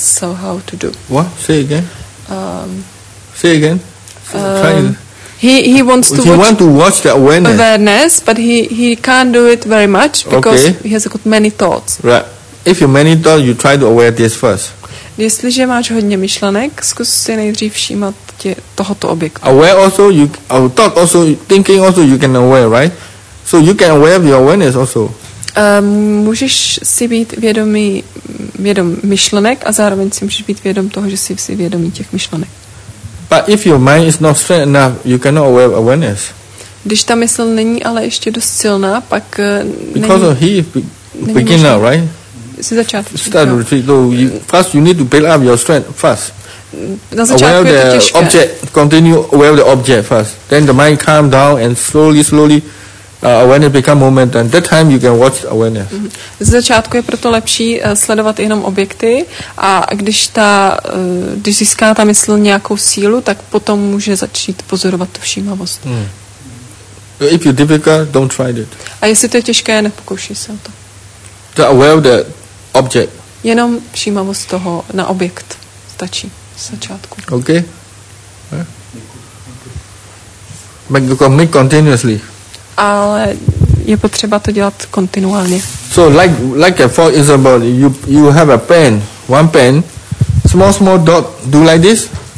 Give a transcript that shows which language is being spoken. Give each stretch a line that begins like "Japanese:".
English: So how to do? What? Say again. Say again. He wants to he watch, want to watch the awareness. Awareness, but he can't do it very much because okay. He has got many thoughts. Right. If you many thoughts, you try to aware this first.
Czech: Jestliže máš hodně myšlenek, zkus si nejdřív všímat tohoto objektu.
English: Aware also, you thought also, thinking also, you can aware, right? So you can aware of your awareness also.
Czech: Můžeš si být vědom myšlenek a zároveň si můžeš být vědom toho, že jsi vědomý těch myšlenek.
English: But if your mind is not strong enough, you cannot aware of awareness.
Czech: Když ta mysl není ale ještě dost silná, pak
English: because
Czech: není,
English: of he beginner,
Czech: možný.
English: Right?
Czech: Si začátku.
English: Start to retreat. So you, first you need to build up your strength first.
Czech: Na začátku
English: aware of the object, continue aware of the object first. Then the mind calm down and slowly awareness become moment. And that time you can watch awareness. Mm-hmm.
Czech: Z začátku je proto lepší sledovat jenom objekty a když ta, když získá ta mysl nějakou sílu, tak potom může začít pozorovat tu všímavost.
English: Mm. If you're difficult, don't try it.
Czech: A jestli to je těžké, nepokoušej se o to.
English: To aware of the object.
Czech: Jenom všímavost toho na objekt stačí z začátku.
English: Okay. Yeah. Make continuously.
Czech: Ale je potřeba to dělat kontinuálně.
English: So like for example, you have a pen, one pen, small dot, do like this.